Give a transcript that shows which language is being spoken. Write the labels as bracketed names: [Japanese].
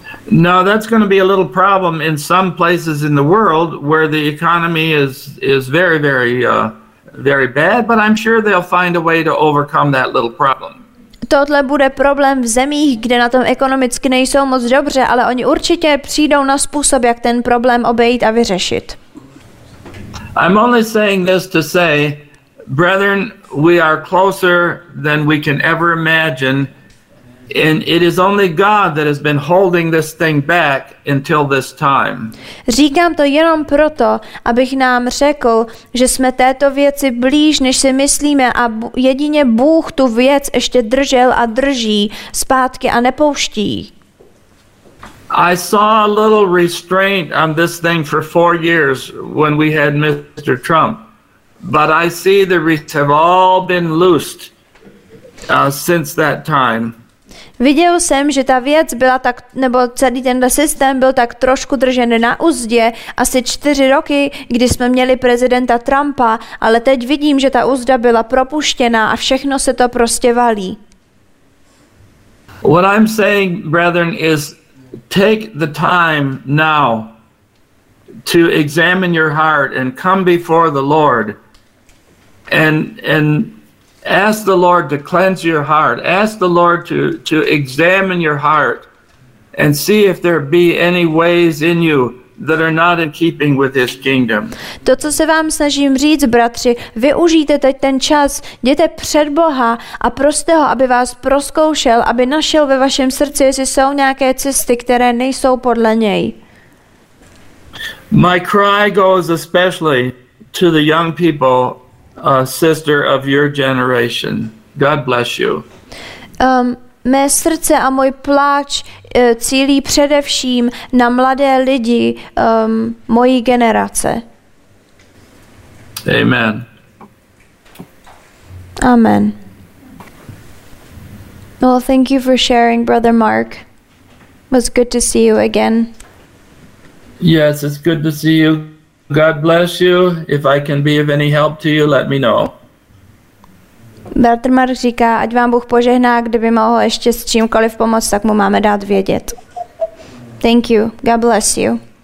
[English] Now that's going to be a little problem in some places in the world where the economy is very, very, very bad, but I'm sure they'll find a way to overcome that little problem. [Czech] Tohle bude problém v zemích, kde na tom ekonomicky nejsou moc dobře, ale oni určitě přijdou na způsob, jak ten problém obejít a vyřešit. [English] I'm only saying this to say, brethren, we are closer than we can ever imagine, and it is only God that has been holding this thing back until this time. [Czech] Říkám to jenom proto, abych nám řekl, že jsme této věci blíž, než si myslíme, a jedině Bůh tu věc ještě držel a drží zpátky a nepouští. [English] I saw a little restraint on this thing for 4 years when we had Mr. Trump, but I see the restraints have all been loosed since that time. [Czech] Viděl jsem, že ta věc byla tak, nebo celý tenhle systém byl tak trošku držen na uzdě asi 4 roky, kdy jsme měli prezidenta Trumpa, ale teď vidím, že ta uzda byla propuštěná a všechno se to prostě valí. [English] What I'm saying, brethren, is take the time now to examine your heart and come before the Lord and ask the Lord to cleanse your heart. Ask the Lord to examine your heart and see if there be any ways in you that are not in keeping with his kingdom. [Czech] To, co se vám snažím říct, bratři, využijte teď ten čas, jděte před Boha a proste ho, aby vás prozkoušel, aby našel ve vašem srdci, jestli jsou nějaké cesty, které nejsou podle něj. [English] My cry goes especially to the young people, sister of your generation. God bless you. [Czech] Mé srdce a můj pláč cílí především na mladé lidi mojí generace. [English] Amen. Amen. Well, thank you for sharing, Brother Mark. It was good to see you again. Yes, it's good to see you. God bless you. If I can be of any help to you, let me know. [Czech] Bratr Mark říká, ať vám Bůh požehná, kdyby mohl ještě s čímkoliv pomoct, tak mu máme dát vědět. [English] Thank you. God bless you.